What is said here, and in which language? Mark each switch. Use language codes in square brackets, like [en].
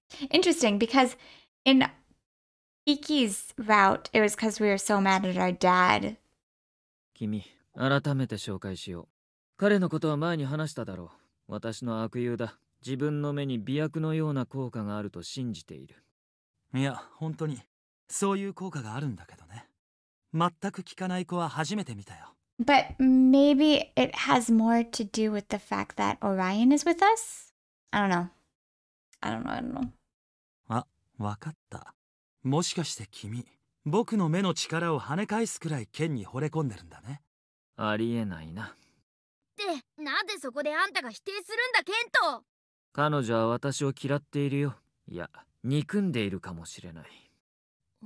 [en] Interesting, because in Iki's route, it was because we were so mad at our dad. [ja] 君、改めて紹介しよう。彼のことは前に話しただろう。私の悪友だ。自分の目に媚薬のような効果があると信じている。いや、本当にそういう効果があるんだけどね。全く聞かない子は初めて見たよ。 [en] But maybe it has more to do with the fact that Orion is with us? I don't know. [ja] あ、わかった。もしかして君、僕の目の力を跳ね返すくらい剣に惚れ込んでるんだね。ありえないな。で、なんでそこであんたが否定するんだ、ケント。彼女は私を嫌っているよ。いや、憎んでいるかもしれない。